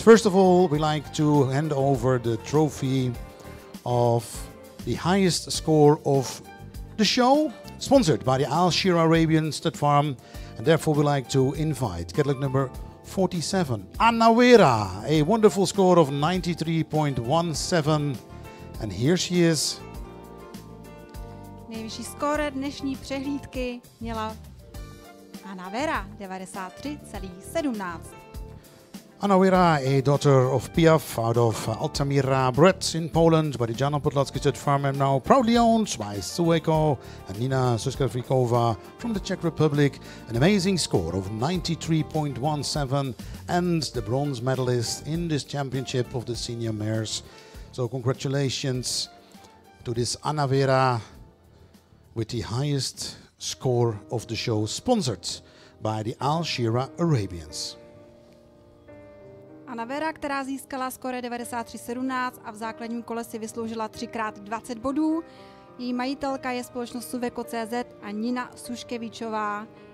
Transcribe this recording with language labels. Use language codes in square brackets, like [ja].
[en] First of all, we like to hand over the trophy of the highest score of the show, sponsored by the Al Shira Arabian Stud Farm, and therefore we like to invite Cadillac number 47, Anna Vera, a wonderful score of 93.17. And here she is. [cs] Nejvyšší skóre dnešní přehlídky měla Anna Vera, 93,17. [en] Anna Vera, a daughter of Piaf out of Altamira, Bretz in Poland, by the Jana Podlaski State Farm, and now proudly owned by Sueko and Nina Suskavrikova from the Czech Republic. An amazing score of 93.17 and the bronze medalist in this championship of the senior mares. So congratulations to this Anna Vera with the highest score of the show, sponsored by the Al Shira Arabians. [cs] Anna Vera, která získala skóre 93,17 a v základním kole si vysloužila 3x20 bodů. Její majitelka je společnost Suveco.cz a Nina Suškevičová.